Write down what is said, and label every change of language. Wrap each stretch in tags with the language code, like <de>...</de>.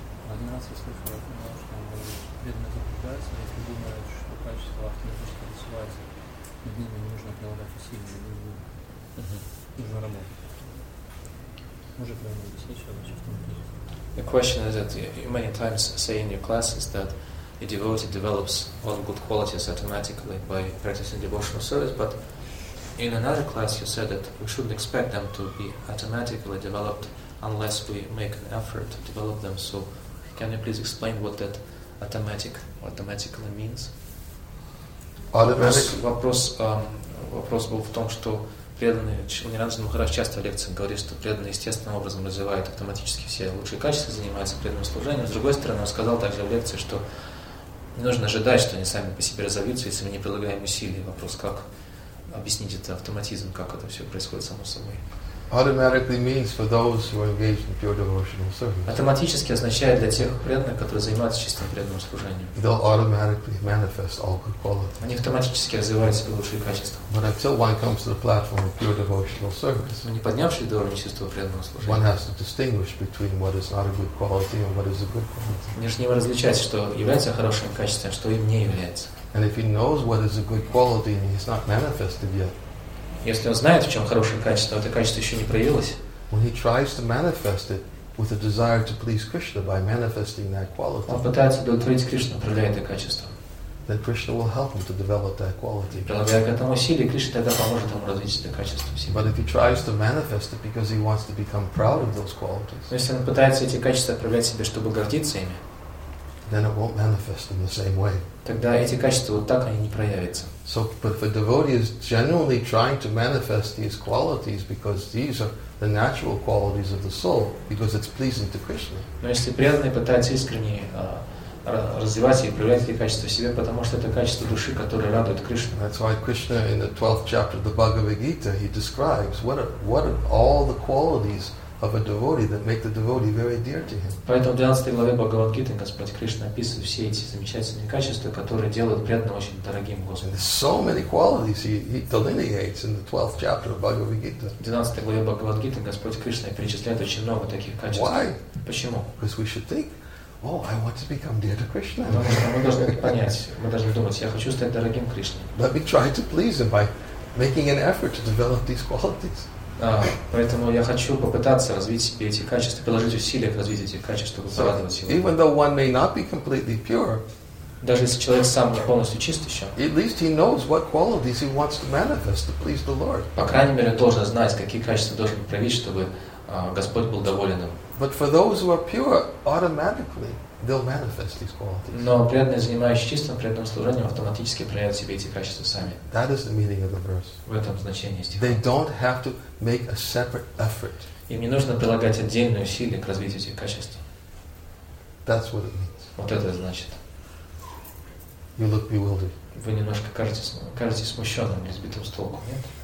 <ru>Один раз я слышал от него, что он говорит, преданно заблуждается, если думает, что качество автоматически рисуется, над ними нужно прилагать усилия, над ними нужно работать. Может ли он объяснить, что это чувство мира?</ru> <en>The question is that you many times say in your classes that a devotee develops all good qualities automatically by practicing devotional service, but in another class you said that we shouldn't expect them to be automatically developed unless we make an effort to develop them. So can you please explain what that automatically means?</en> <ru>Вопрос был в том, что преданные, Ниранджан Махарадж часто в лекциях говорит, что преданные естественным образом развивают автоматически все лучшие качества, занимаются преданным служением. С другой стороны, он сказал также в лекции, что не нужно ожидать, что они сами по себе разовьются, если мы не прилагаем усилий. Вопрос, как объяснить это автоматизм, как это все происходит само собой.</ru> <en>Automatically means for those who are engaged in pure devotional service.</en> <ru>Автоматически означает для тех преданных, которые занимаются чистым преданным служением.</ru> <en>They'll automatically manifest all good qualities.</en> <ru>Они автоматически развивают себе лучшие качества.</ru> <en>But until one comes to the platform of pure devotional service,</en> <ru>не поднявшись до уровня чистого преданного служения,</ru> <en>one has to distinguish between what is not a good quality and what is a good quality.</en> <ru>Нужно различать, что является хорошим качеством, что им не является.</ru> <en>And if he knows what is a good quality and he's not manifested yet.</en> <ru>Если он знает, в чем хорошее качество, но это качество еще не проявилось.</ru> <en>When he tries to manifest it with a desire to please Krishna by manifesting that quality.</en> <ru>Он пытается удовлетворить Кришну, проявляя это качество.</ru> <en>Then Krishna will help him to develop that quality.</en> <ru>Прилагая к этому усилия, Кришна тогда поможет ему развить это качество.</ru> <en>But if he tries to manifest it because he wants to become proud of those qualities.</en> <ru>Если он пытается эти качества проявлять себе, чтобы гордиться ими.</ru> <en>Then it won't manifest in the same way.</en> <ru>Тогда эти качества вот так они не проявятся.</ru> <en>So, but if a devotee is genuinely trying to manifest these qualities because these are the natural qualities of the soul, because it's pleasing to Krishna.</en> <ru>Но если преданный пытается искренне развивать и проявлять эти качества в себе, потому что это качество души, которое радует Кришну.</ru> <en>That's why Krishna in the 12th chapter of the Bhagavad Gita he describes what are all the qualities of a devotee that make the devotee very dear to him.</en> <ru>Поэтому в 12 главе Бхагавад Гиты Господь Кришна описывает все эти замечательные качества, которые делают преданного очень дорогим Господу.</ru> <en>There's so many qualities he delineates in the 12th chapter of Bhagavad Gita.</en> <ru>В 12 главе Бхагавад Гиты Господь Кришна перечисляет очень много таких качеств.</ru> <en>Why?</en> <ru>Почему?</ru> <en>Because we should think, oh, I want to become dear to Krishna.</en> <ru>Мы должны понять, мы должны думать, я хочу стать дорогим Кришне.</ru> <en>Let me try to please him by making an effort to develop these qualities.</en> <ru>Поэтому я хочу попытаться развить себе эти качества, приложить усилия к развитию этих качеств, чтобы порадовать его.</ru> <en>Even though one may not be completely pure,</en> <ru>даже если человек сам не полностью чист еще,</ru> <en>at least he knows what qualities he wants to manifest to please the Lord.</en> <ru>По крайней мере, он должен знать, какие качества должен проявить, чтобы Господь был доволен им.</ru> <en>But for those who are pure, automatically they'll manifest these qualities.</en> <ru>Но преданные, занимающие чистым преданным служением, автоматически проявят себе эти качества сами.</ru> <en>That is the meaning of the verse.</en> <ru>В этом значение стиха.</ru> <en>They don't have to make a separate effort.</en> <ru>Им не нужно прилагать отдельные усилия к развитию этих качеств.</ru> <en>That's what it means.</en> <ru>Вот это значит.</ru> <en>You look bewildered.</en> <ru>Вы немножко кажетесь смущенным, не сбитым с толку, нет?</ru>